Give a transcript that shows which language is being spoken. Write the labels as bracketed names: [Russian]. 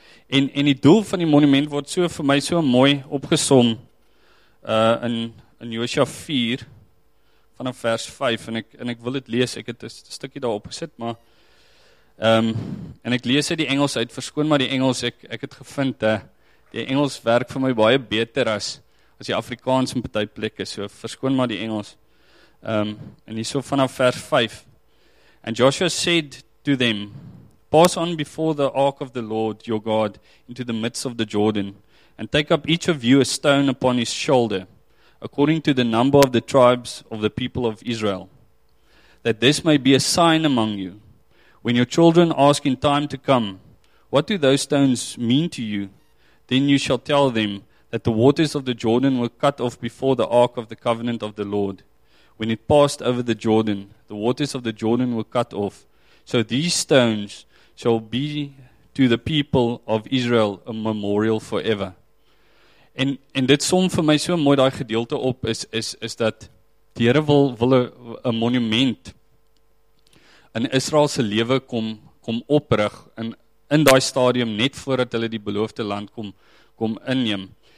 [Afrikaans] En die doel van die monument word so vir my so mooi opgesom in Josia 4 vanaf vers 5 en ek wil dit lees. Ek het 'n stukkie daar opgesit, maar en ek lees uit die Engels uit. Verskoon maar die Engels, ek het gevind die Engels werk vir my baie beter as die Afrikaans in party plekke. So verskoon maar die Engels. En hierso vanaf vers 5. [English] And Joshua said to them, pass on before the ark of the Lord your God into the midst of the Jordan, and take up each of you a stone upon his shoulder, according to the number of the tribes of the people of Israel, that this may be a sign among you. When your children ask in time to come, what do those stones mean to you? Then you shall tell them that the waters of the Jordan were cut off before the ark of the covenant of the Lord. When it passed over the Jordan, the waters of the Jordan were cut off. So these stones shall be to the people of Israel a memorial forever. [Afrikaans] En dit som vir my so mooi daai gedeelte op is dat die Here wil 'n monument in Israel se lewe kom oprig in daai stadium net voordat hulle die beloofde land kom inneem.